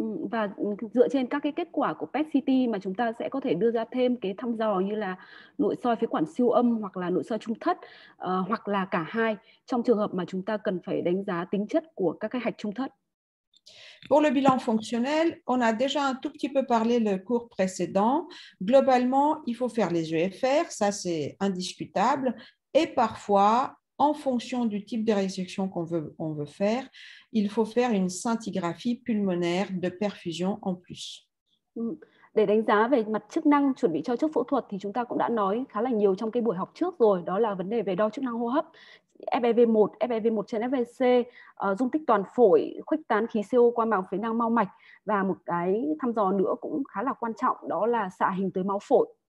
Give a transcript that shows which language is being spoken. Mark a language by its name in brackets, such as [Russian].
[Vietnamese] Và dựa trên các cái kết quả của PET CT mà chúng ta sẽ có thể đưa ra thêm cái thăm dò như là nội soi phế quản siêu âm hoặc là nội soi trung thất hoặc là cả hai trong trường hợp mà chúng ta cần phải đánh giá tính chất của các cái hạch trung thất. [French] Pour le bilan fonctionnel, on a déjà un tout petit peu parlé le cours précédent. Globalement, il faut faire les EFR, ça c'est indiscutable et parfois en fonction du type de résection qu'on veut faire, il faut faire une scintigraphie pulmonaire de perfusion en plus. [Vietnamese] để đánh giá về mặt chức năng chuẩn bị cho trước phẫu thuật thì chúng ta cũng đã nói khá là nhiều trong cái buổi học trước rồi, đó là vấn đề về đo chức năng hô hấp, FEV1, FEV1 trên FVC, dung tích toàn phổi, khuếch tán khí CO qua màng phế nang mao mạch, và một cái thăm dò nữa cũng khá là quan trọng, đó là xạ hình tới máu phổi.